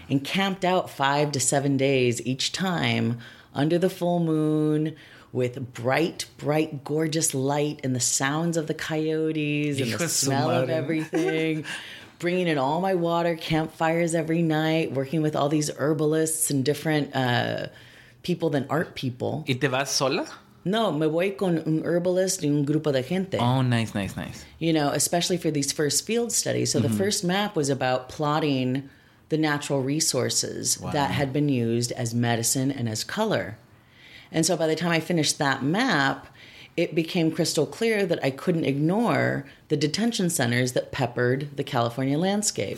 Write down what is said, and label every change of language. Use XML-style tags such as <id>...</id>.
<en>And camped out 5 to 7 days each time under the full moon with bright, bright, gorgeous light and the sounds of the coyotes and the smell of everything. Bringing in all my water, campfires every night, working with all these herbalists and different people than art people.</en> <es>¿Y te vas sola? No, me voy con un herbalist y un grupo de gente.</es> <en>Oh, nice, nice, nice. You know, especially for these first field studies. So mm-hmm. the first map was about plotting the natural resources wow. that had been used as medicine and as color. And so by the time I finished that map, it became crystal clear that I couldn't ignore the detention centers that peppered the California landscape.</en>